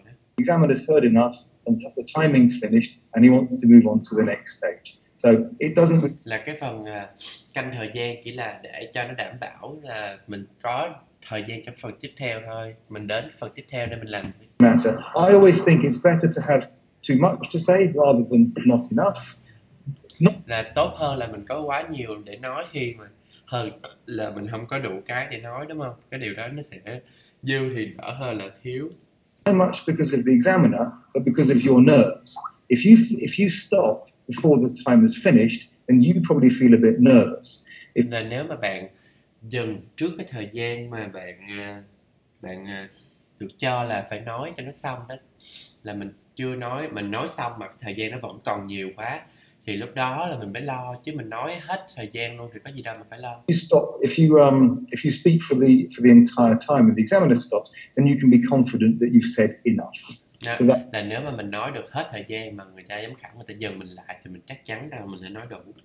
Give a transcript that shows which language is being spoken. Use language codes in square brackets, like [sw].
[en] The examiner's heard enough, and the timing's finished, and he wants to move on to the next stage. So it doesn't. [vi] Là cái phần canh thời gian chỉ là để cho nó đảm bảo là mình có thời gian cho phần tiếp theo thôi. Mình đến phần tiếp theo để mình làm. [en] Matter. I always think it's better to have too much to say rather than not enough. [vi] Là tốt hơn là mình có quá nhiều để nói khi mà hơn là mình không có đủ cái để nói, đúng không? Cái điều đó nó sẽ dư thì đỡ hơn là thiếu. [en] Not much because of the examiner, but because of your nerves. If you stop before the time is finished, then you probably feel a bit nervous. If [vi] là nếu mà bạn dừng trước cái thời gian mà bạn được cho là phải nói cho nó xong đó, là mình chưa nói, mình nói xong mà thời gian nó vẫn còn nhiều quá, thì lúc đó là mình mới lo, chứ mình nói hết thời gian luôn thì có gì đâu mà phải lo. [en] You stop if you speak for the entire time and the examiner stops, then you can be confident that you've said enough. [vi] Là nếu mà mình nói được hết thời gian mà người ta giám khảo người ta dừng mình lại thì mình chắc chắn rằng mình đã nói đủ.